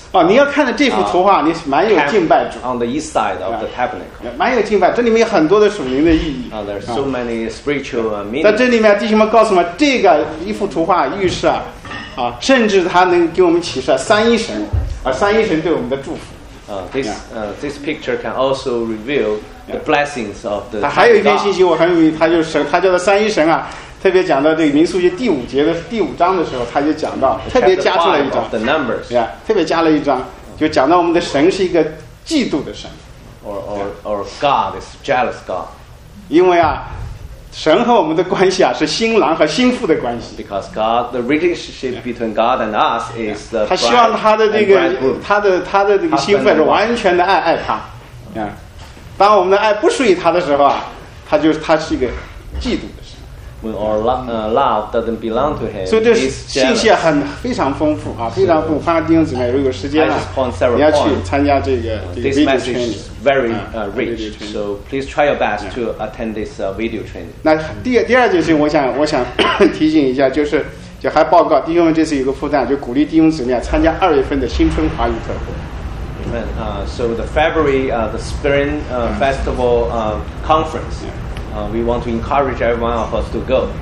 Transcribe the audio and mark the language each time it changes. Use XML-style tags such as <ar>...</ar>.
<zh>哦，你要看的这幅图画，你是蛮有敬拜主。</zh> <en>On the east side of the tabernacle.</en> <zh>蛮有敬拜，这里面有很多的属灵的意义。</zh> <en>There's so many spiritual meaning.</en> <zh>在这里面，弟兄们告诉我们，这个一幅图画预示啊，甚至它能给我们启示三一神。三一神对我们的祝福。</zh> <en>This picture can also reveal the blessings of the.</en> <zh>还有一篇信息我很有名，他叫做三一神啊。特别讲到这个民数记第五节的第五章的时候，他就讲到，特别加出来一章。</zh> <en>The numbers.</en> <zh>对啊，特别加了一章，就讲到我们的神是一个嫉妒的神。</zh> <en>Or God is jealous God.</en> <zh>因为啊，神和我们的关系啊是新郎和新妇的关系。</zh> <en>Because God, the relationship between God and us is the.</en> <zh>他希望他的这个他的这个新妇是完全的爱他。当我们的爱不属于他的时候啊，他是一个嫉妒的神。</zh> <en>When our love doesn't belong to him,</en> <zh>所以这信息很非常丰富啊，非常丰富。欢迎弟兄姊妹，如果时间了，你要去参加这个。</zh> <en>This message is very rich, so please try your best to attend this video training.</en> <zh>那第二就是我想提醒一下，就是就还报告弟兄们，这次有个负担，就鼓励弟兄姊妹参加二月份的新春华语特会。</zh> <en>So the February the Spring Festival Conference. We want to encourage everyone of us to go.</en>